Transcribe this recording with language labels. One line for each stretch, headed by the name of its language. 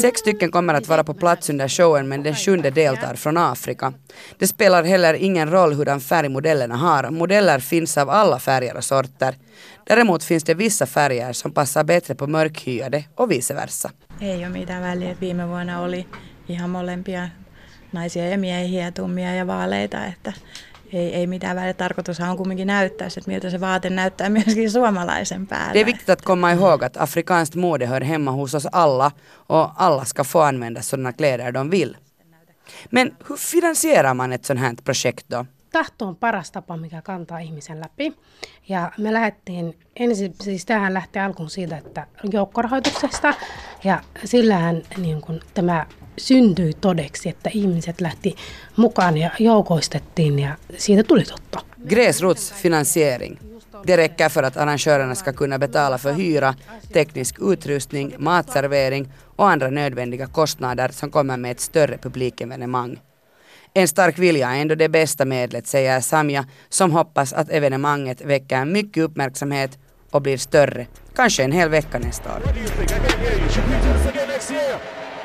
Swedish: 6 stycken kommer att vara på plats under showen, men den 7:e deltar från Afrika. Det spelar heller ingen roll hur den färgmodellerna har. Modeller finns av alla färger och sorter. Däremot finns det vissa färger som passar bättre på mörkhyade och vice versa.
Finnish: Ei ole mitään väliä. Viime vuonna oli ihan molempia naisia ja miehiä, tummia ja vaaleita, että ei mitään väliä. Tarkoitushan on kumminkin näyttää se, että miltä se vaate näyttää myöskin suomalaisen päällä.
Swedish: Det är viktigt att komma ihåg att afrikanskt mode hör hemma hos oss alla och alla ska få använda sådana kläder de vill. Men hur finansierar man ett sådant här projekt då?
Finnish: Tahto on paras tapa, mikä kantaa ihmisen läpi. Ja me lähdettiin, ensin siis tähän lähti alkuun siitä, että joukkorahoituksesta. Ja sillähän niin kun tämä syntyi todeksi, että ihmiset lähti mukaan ja joukoistettiin ja siitä tuli totta.
Swedish: Gräsrotsfinansiering. Det räcker för att arrangörerna ska kunna betala för hyra, teknisk utrustning, matservering och andra nödvändiga kostnader som kommer med ett större publikevenemang. En stark vilja är ändå det bästa medlet, säger Samia, som hoppas att evenemanget väcker mycket uppmärksamhet och blir större. Kanske en hel vecka nästa år.